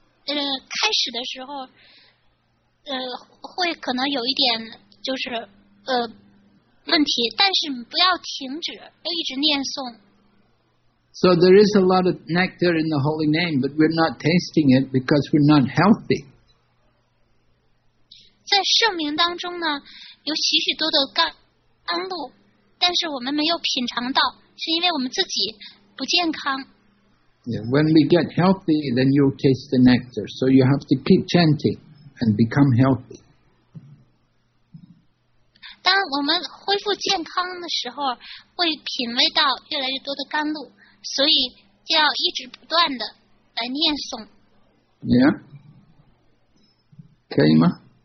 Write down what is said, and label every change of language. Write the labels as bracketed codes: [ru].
[zh] 开始的时候，会可能有一点就是问题，但是不要停止，要一直念诵。 [en] So there is a lot of nectar in the holy name, but we're not tasting it because we're not healthy. [zh] 在圣名当中呢，有许许多的甘露。但是我们没有品尝到，是因为我们自己不健康。 [en] Yeah, when we get healthy, then you'll taste the nectar. So you have to keep chanting and become healthy. [zh] 当我们恢复健康的时候，会品味到越来越多的甘露，所以就要一直不断的来念诵。 Yeah. 可以吗？